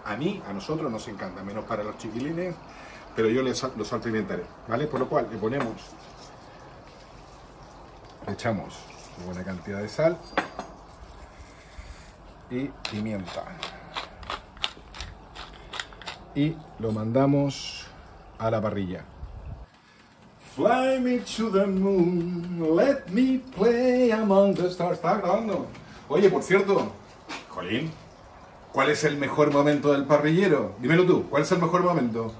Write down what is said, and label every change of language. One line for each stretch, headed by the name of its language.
Spanish: A mí, a nosotros, nos encanta, menos para los chiquilines, pero yo lo salpimentaré, ¿vale? Por lo cual le ponemos, le echamos una buena cantidad de sal y pimienta y lo mandamos a la parrilla.
English: Fly me to the moon, let me play among the stars.
Spanish: ¿Está grabando? Oye, por cierto, Jolín, ¿cuál es el mejor momento del parrillero? Dímelo tú, ¿cuál es el mejor momento?